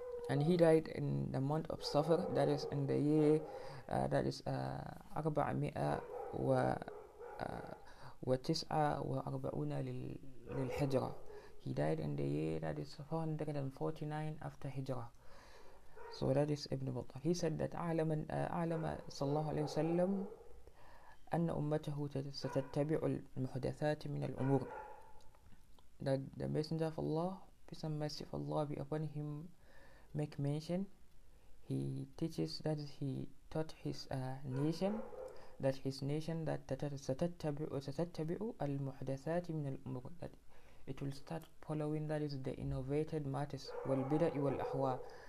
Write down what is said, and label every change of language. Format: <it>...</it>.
<en>And he died in the month of Safar, that is in the year that is 449 lil-Hijra. He died in the year that is 449 after Hijra. So that is Ibn Battal.</en> <ar>He said that أعلم صلى الله عليه وسلم أن أمته ستتبع المحدثات من الأمور.</ar> <en>That the Messenger of Allah, peace and mercy of Allah be upon him, make mention. He teaches that he taught his nation that his nation</en> <ar>ستتبع المحدثات من الأمور.</ar> <en>That it will start following that is the innovated matters</en> <ar>والبدع والأحواء.</ar>